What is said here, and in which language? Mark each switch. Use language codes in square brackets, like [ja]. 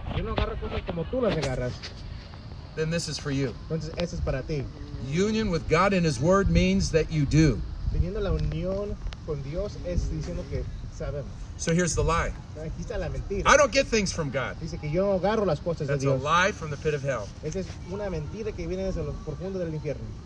[es] Yo no agarro cosas como tú las agarras. [en] Then this is for you. [es] Entonces, eso es para ti. [en] Union with God and His Word means that you do. [es] Teniendo la unión con Dios es diciendo que sabemos. [en] So here's the lie. [es] Aquí está la mentira. [en] I don't get things from God. [es] Dice que yo no agarro las cosas de Dios. [en] That's a lie from the pit of hell. [es] Esa es una mentira que viene desde lo profundo del infierno.